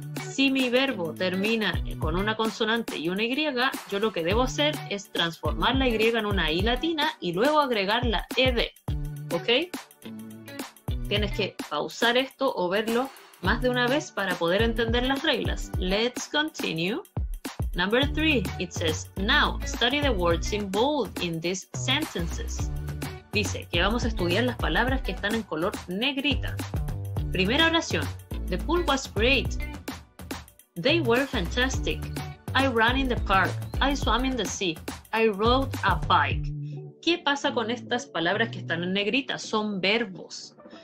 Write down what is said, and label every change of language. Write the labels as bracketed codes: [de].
[es] Si mi verbo termina con una consonante y una Y, yo lo que debo hacer es transformar la Y en una I latina y luego agregar la ED. ¿Ok? Tienes que pausar esto o verlo más de una vez para poder entender las reglas. [en] Let's continue. Number three, it says, now study the words in bold in these sentences. [es] Dice que vamos a estudiar las palabras que están en color negrita. Primera oración, [en] the pool was great. They were fantastic. I ran in the park. I swam in the sea. I rode a bike. [es] ¿Qué pasa con estas palabras que están en negrita? Son verbos.